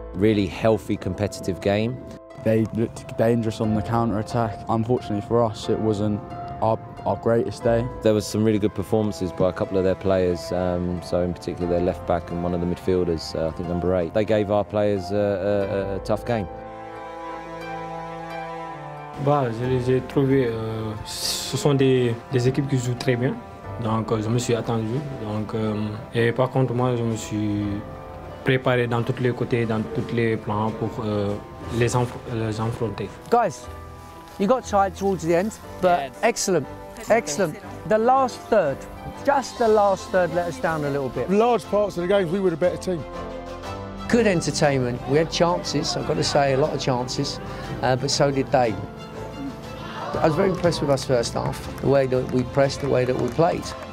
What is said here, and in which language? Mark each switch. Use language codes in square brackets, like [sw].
[en] Really healthy, competitive game. They looked dangerous on the counter-attack. Unfortunately for us, it wasn't our greatest day. There was some really good performances by a couple of their players, so in particular their left-back and one of the midfielders, I think number 8. They gave our players a tough game. [fr] Bah, j'ai trouvé, ce sont des équipes qui jouent très bien. Donc je me suis attendu. Donc et par contre moi je me suis préparé dans tous les côtés, dans tous les plans pour les affronter. [en] Guys, you got tired towards the end, but yes. Excellent, excellent. The last third, just the last third, let us down a little bit. Large parts of the games we were the better team. Good entertainment. We had chances. I've got to say a lot of chances, but so did they. I was very impressed with us first half, the way that we pressed, the way that we played.